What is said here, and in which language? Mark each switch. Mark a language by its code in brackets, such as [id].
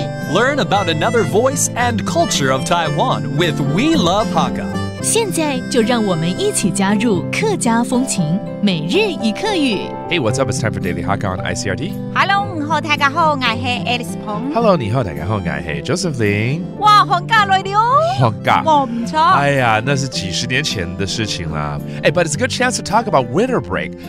[en] Learn about another voice and culture of Taiwan with We Love Hakka. [zh] 现在就让我们一起加入客家风情每日一客语。 [en] Hey, what's up? It's time for Daily Hakka on ICRT. [zh] Hello, 你好，大家好，我是 Alice Pong. Hello, 你好，大家好，我是 Joseph Lin. 哇，寒假来了哦。寒假。哇，不错。哎呀，那是几十年前的事情啦。 [en] Hey, but it's a good chance to talk about winter break.